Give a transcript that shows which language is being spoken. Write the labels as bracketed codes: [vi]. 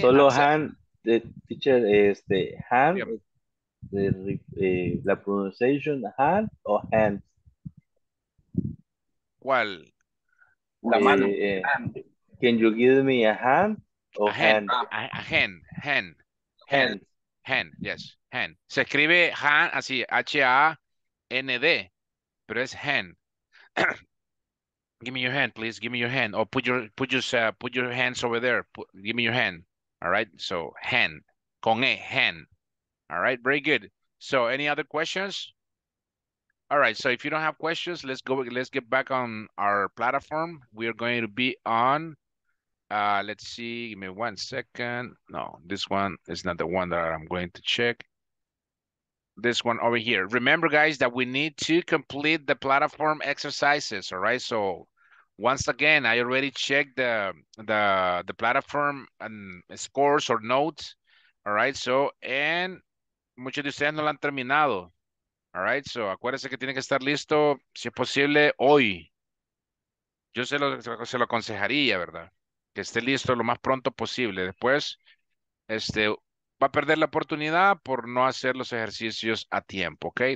[en] Solo answer. Han, the teacher, este, Han, yep. [es] The, la pronunciation Han o Han? [en] Well, [es] la mano. [en] Can you give me a hand or hand? Hand. [es] Se escribe hand así, H-A-N-D, pero es hand. [en] Give me your hand, please. Give me your hand. Or put your hands over there. Give me your hand. All right. So hand. [es] Con E, [en] hand. All right. Very good. So any other questions? All right, so if you don't have questions, let's go. Let's get back on our platform. We are going to be on, let's see, give me 1 second. No, this one is not the one that I'm going to check. This one over here. Remember, guys, that we need to complete the platform exercises, all right? So once again, I already checked the platform and scores or notes, all right? So, and [es] muchos de ustedes no lo han terminado. [en] All right, so [es] acuérdense que tiene que estar listo, si es posible, hoy. Yo se lo aconsejaría, ¿verdad? Que esté listo lo más pronto posible. Después, este, va a perder la oportunidad por no hacer los ejercicios a tiempo, ¿ok?